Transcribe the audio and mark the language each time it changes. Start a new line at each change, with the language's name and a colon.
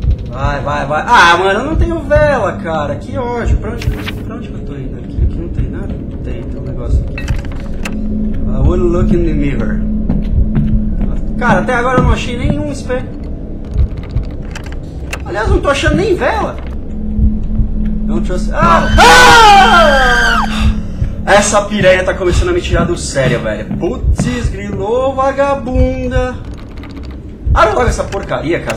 Portuguese: Vai, vai, vai. Ah, mano, eu não tenho vela, cara. Que ódio. Pra onde que eu tô indo aqui? Aqui não tem nada? Não tem, tem um negócio aqui.
English: I wouldn't look in the mirror.
Portuguese: Cara, até agora eu não achei nenhum espelho. Aliás, não tô achando nem vela. Não trouxe. Ah! Ah! Essa piranha tá começando a me tirar do sério, velho. Putz, grilou, vagabunda. Abre logo essa porcaria, cara.